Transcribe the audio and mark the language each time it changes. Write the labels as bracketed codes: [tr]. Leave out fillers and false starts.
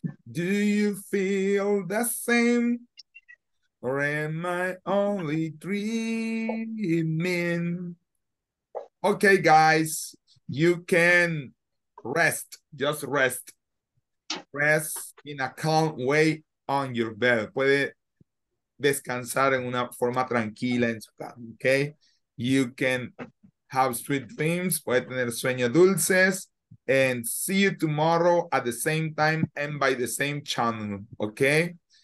[en] Do you feel the same? Or am I only dreaming? Okay, guys. You can rest, just rest. Rest in a calm way on your bed. [es] Puede descansar en una forma tranquila en su cama, okay? [en] You can have sweet dreams, [es] puede tener sueños dulces, [en] and see you tomorrow at the same time and by the same channel, okay?